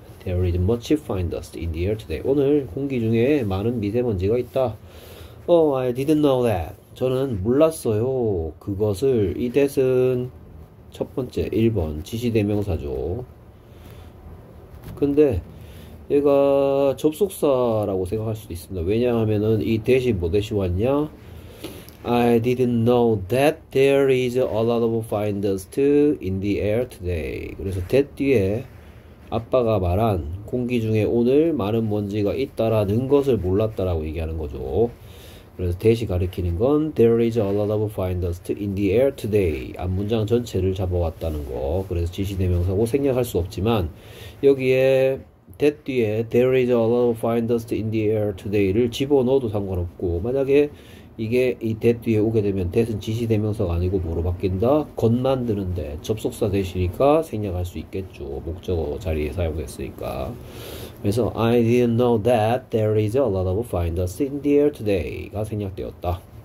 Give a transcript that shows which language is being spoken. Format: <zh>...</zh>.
<en>There is much fine dust in the air today.</en> <ko>오늘 공기 중에 많은 미세먼지가 있다.</ko> <en>Oh, I didn't know that.</en> <ko>저는 몰랐어요. 그것을 이 뜻은 첫 번째 1번 지시 대명사죠. 근데 얘가 접속사라고 생각할 수도 있습니다. 왜냐하면은 이 대시 뭐 대시 왔냐?</ko> <en>I didn't know that there is a lot of fine dust in the air today.</en> <ko>그래서 that 뒤에 아빠가 말한 공기 중에 오늘 많은 먼지가 있다라는 것을 몰랐다라고 얘기하는 거죠. 그래서 대시 가리키는 건</ko> <en>there is a lot of fine dust in the air today.</en> <ko>앞문장 전체를 잡아왔다는 거. 그래서 지시 대명사고 생략할 수 없지만 여기에 that 뒤에</ko> <en>there is a lot of fine dust in the air today</en> <ko>를 집어넣어도 상관없고 만약에 이게 이 that 뒤에 오게 되면 that은 지시 대명사가 아니고 뭐로 바뀐다? 건만드는데 접속사 되시니까 생략할 수 있겠죠. 목적어 자리에 사용했으니까.</ko> <en>그래서 I didn't know that there is a lot of fine dust in the air today가</en> <ko>생략되었다.</ko>